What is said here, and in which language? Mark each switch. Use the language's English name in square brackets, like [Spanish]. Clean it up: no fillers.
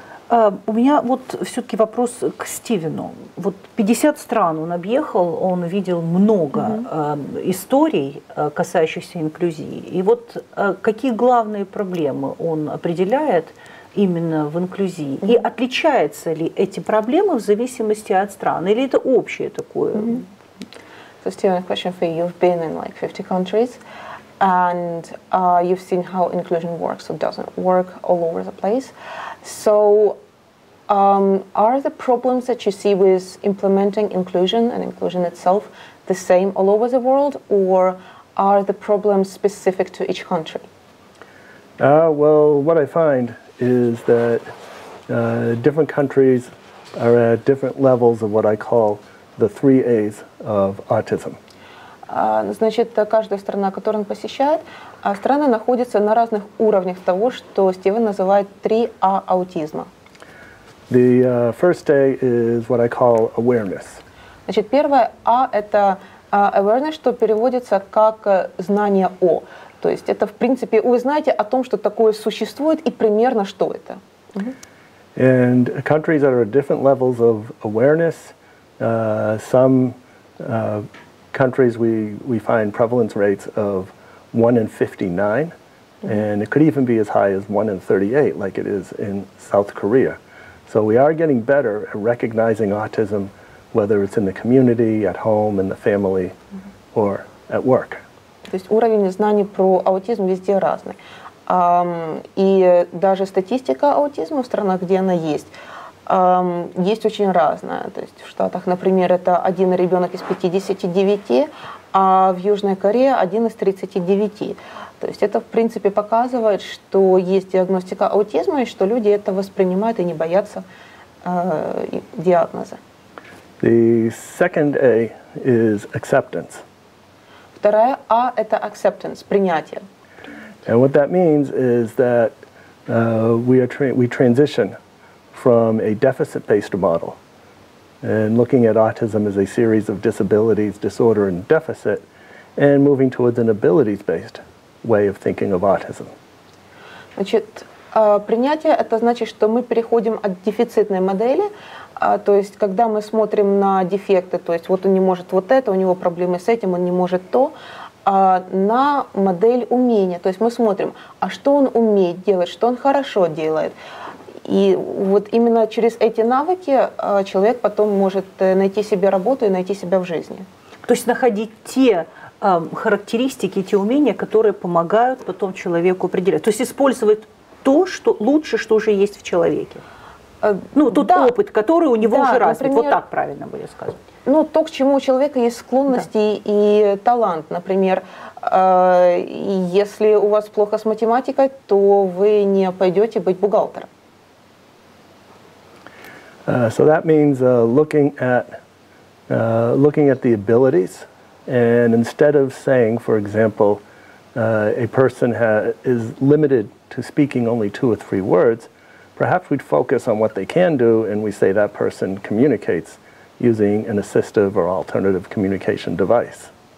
[Russian] У меня вот все-таки вопрос к Стивену. Вот 50 стран он объехал, он видел много историй, касающихся инклюзии. И вот какие главные проблемы он определяет именно в инклюзии? И отличаются ли эти проблемы в зависимости от стран? Или это общее такое? [English] So, Стивен, question for you. You've been in like 50 countries. And you've seen how inclusion works or doesn't work all over the place. So are the problems that you see with implementing inclusion and inclusion itself the same all over the world, or are the problems specific to each country? Well, what I find is that different countries are at different levels of what I call the three A's of autism. [Russian] Значит, каждая страна, которую он посещает, страны находятся на разных уровнях того, что Стивен называет 3А аутизма. [English] The first A is what I call awareness. [Russian] Значит, первое А – это awareness, что переводится как знание о. То есть это, в принципе, вы знаете о том, что такое существует и примерно что это. [English] And countries that are at different levels of awareness, some countries we find prevalence rates of 1 in 59, and it could even be as high as 1 in 38, like it is in South Korea. So we are getting better at recognizing autism, whether it's in the community, at home, in the family, or at work. [Russian] То есть уровень знаний про аутизм везде разный, и даже статистика аутизма в странах, где она есть. Есть очень разное. То есть в Штатах, например, это один ребенок из 59, а в Южной Корее один из 39. То есть это, в принципе, показывает, что есть диагностика аутизма, и что люди это воспринимают и не боятся диагноза. [English] The second A is acceptance. [Russian] Вторая А – это acceptance, принятие. [English] And what that means is that we transition from a deficit-based model, and looking at autism as a series of disabilities, disorder, and deficit, and moving towards an abilities-based way of thinking of autism. [Russian] Значит, принятие – это значит, что мы переходим от дефицитной модели, то есть когда мы смотрим на дефекты, то есть вот он не может вот это, у него проблемы с этим, он не может то, на модель умения. То есть мы смотрим, а что он умеет делать, что он хорошо делает. И вот именно через эти навыки человек потом может найти себе работу и найти себя в жизни. То есть находить те характеристики, те умения, которые помогают потом человеку определять. То есть использовать то, что лучше, что уже есть в человеке. Ну, тот да. опыт, который у него да, уже развит. Например, вот так правильно будет сказать. Ну, то, к чему у человека есть склонности да. и талант, например. Если у вас плохо с математикой, то вы не пойдете быть бухгалтером. [English] So that means looking at the abilities, and instead of saying, for example, a person is limited to speaking only 2 or 3 words, perhaps we'd focus on what they can do, and we say that person communicates using an assistive or alternative communication device.